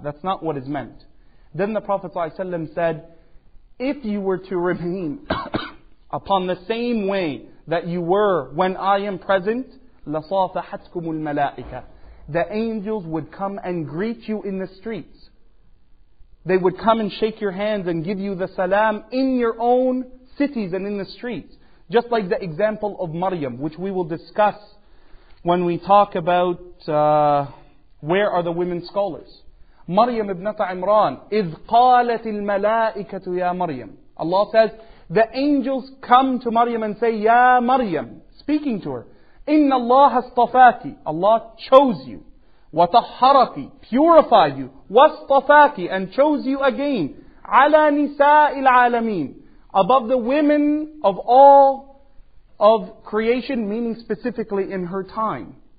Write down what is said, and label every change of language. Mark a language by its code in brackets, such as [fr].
[en] That's not what is meant. Then the Prophet ﷺ said, if you were to remain upon the same way that you were when I am present, [ar] لَصَافَحَتْكُمُ الْمَلَائِكَةِ, [en] the angels would come and greet you in the streets. They would come and shake your hands and give you the salam in your own cities and in the streets. Just like the example of Maryam, which we will discuss when we talk about where are the women scholars. Maryam ibn Imran, [ar] إِذْ قَالَتِ الْمَلَائِكَةُ يَا مَرْيَمُ. [en] Allah says, the angels come to Maryam and say, [ar] يَا مَرْيَمُ, [en] speaking to her, [ar] إِنَّ اللَّهَ اصْطَفَاكِ, [en] Allah chose you, [ar] وَطَحَّرَكِ, [en] purified you, [ar] وَاصْطَفَاكِ, [en] and chose you again, [ar] عَلَى نِسَاءِ الْعَالَمِينَ, [en] above the women of all of creation, meaning specifically in her time.